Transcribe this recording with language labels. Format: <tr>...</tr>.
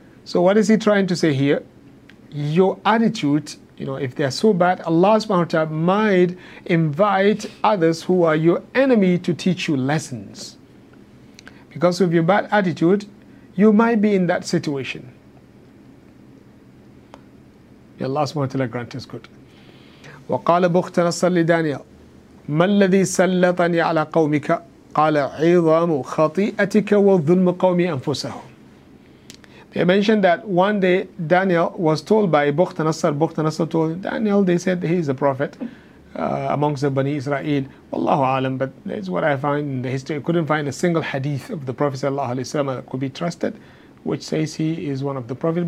<en>So what is he trying to say here? Your attitude, you know, if they're so bad, Allah subhanahu wa ta'ala might invite others who are your enemy to teach you lessons. Because of your bad attitude, you might be in that situation. Allah subhanahu wa ta'ala grant us good.</en> <ar>وقال بخت نصر لدانيال ما الذي سلطني على قومك قال عظام خطيئتك وظلم قومي أنفسهم.</ar> <en>They mentioned that one day Daniel was told by Bukhtanasar. Bukhtanasar told Daniel, they said he is a prophet amongst the Bani Israel. Wallahu alam, but that's what I find in the history. I couldn't find a single hadith of the Prophet sallallahu alaihi wasallam that could be trusted, which says he is one of the prophets.</en>